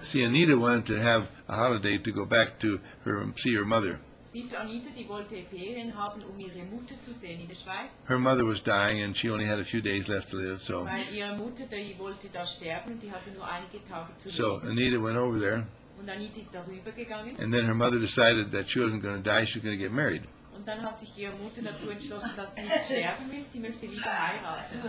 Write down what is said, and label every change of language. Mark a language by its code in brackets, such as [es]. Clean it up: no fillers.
[en] See, Anita wanted to have a holiday to go back to see her mother. [de] Siehst du, Anita, die wollte Ferien haben, um ihre Mutter zu sehen in der Schweiz. [en] Her mother was dying and she only had a few days left to live, so. [de] Weil ihre Mutter, die wollte da sterben, die hatte nur einige Tage zu leben. [en] So, Anita went over there. [de] Und Anita ist darüber gegangen. [en] And then her mother decided that she wasn't going to die, she was going to get married. [de] Und dann hat sich ihre Mutter dazu entschlossen, dass sie nicht sterben will, sie möchte lieber heiraten.